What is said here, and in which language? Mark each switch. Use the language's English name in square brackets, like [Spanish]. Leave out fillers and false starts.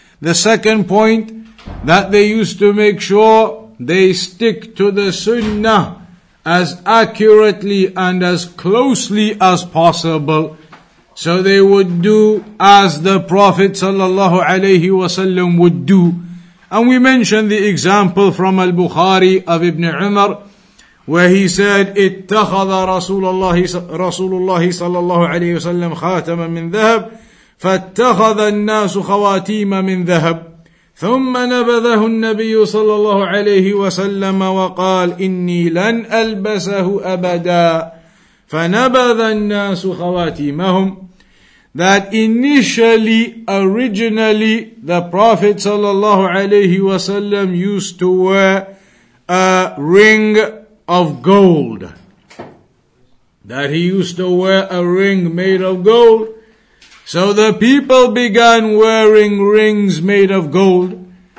[English] The second point, that they used to make sure they stick to the sunnah as accurately and as closely as possible. So they would do as the Prophet sallallahu alaihi wasallam would do. And we mentioned the example from Al-Bukhari of Ibn Umar, where he said, [Arabic] اتخذ رسول الله صلى الله عليه وسلم خاتما من ذهب فاتخذ الناس خواتيم من ذهب ثم نبذه النبي صلى الله عليه وسلم وقال إني لن ألبسه أبدا فنبذ الناس خواتيمهم. [English] That initially, originally, the Prophet sallallahu alaihi wasallam used to wear a ring of gold. That he used to wear a ring made of gold. So the people began wearing rings made of gold.